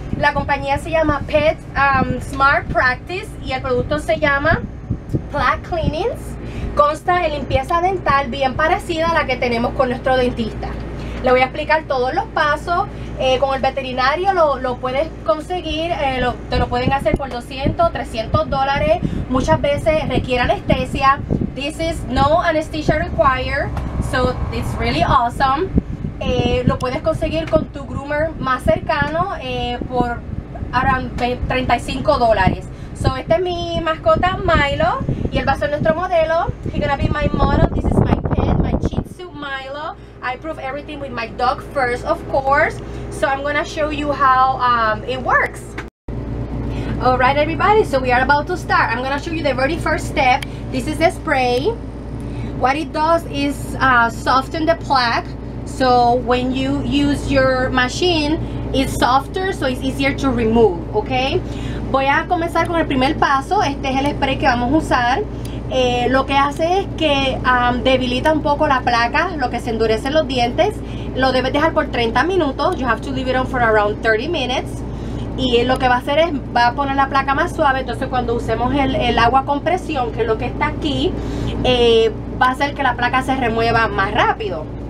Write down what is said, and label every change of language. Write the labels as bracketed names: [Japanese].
[Spanish] La compañía se llama Pet Smart Practice y el producto se llama Plaq Clnz. Consta en limpieza dental bien parecida a la que tenemos con nuestro dentista. Le voy a explicar todos los pasos. Con el veterinario lo puedes conseguir, te lo pueden hacer por $200-$300. Muchas veces requiere anestesia. [English] This is no anesthesia required, so it's really awesome. [Spanish] Lo puedes conseguir con tu groomer más cercano por around $35. So este es mi mascota Milo y él va a ser nuestro modelo. [English] He's gonna be my model. This is my pet, my Shih Tzu Milo. I prove everything with my dog first, of course. So I'm gonna show you how it works. Alright everybody, so we are about to start. I'm gonna show you the very first step. This is the spray. What it does is soften the plaque, so when you use your machine, it's softer, so it's easier to remove, okay? [Spanish] Voy a comenzar con el primer paso. Este es el spray que vamos a usar. Lo que hace es que debilita un poco la placa, lo que se endurece los dientes. Lo debes dejar por 30 minutos. [English] You have to leave it on for around 30 minutes. [Spanish] Y lo que va a hacer es, va a poner la placa más suave, entonces cuando usemos el agua con presión, que es lo que está aquí, va a hacer que la placa se remueva más rápido.